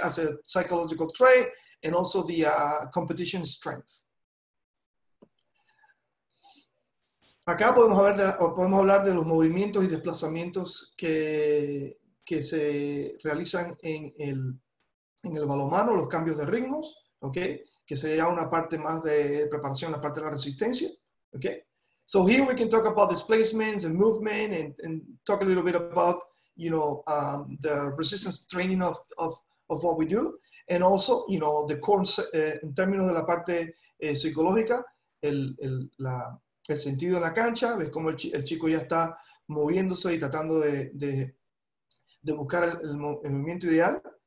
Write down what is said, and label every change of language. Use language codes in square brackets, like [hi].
[en] As a psychological trait, and also the competition strength. [es] Acá podemos hablar de los movimientos y desplazamientos que se realizan en el balonmano, los cambios de ritmos, okay, que sería una parte más de preparación, la parte de la resistencia. Okay. [en] So here we can talk about displacements and movement and talk a little bit about, you know, the resistance training of what we do. And also, you know, the core, [es] en términos de la parte psicológica, el sentido en la cancha, ves cómo el chico ya está moviéndose y tratando de buscar el movimiento ideal.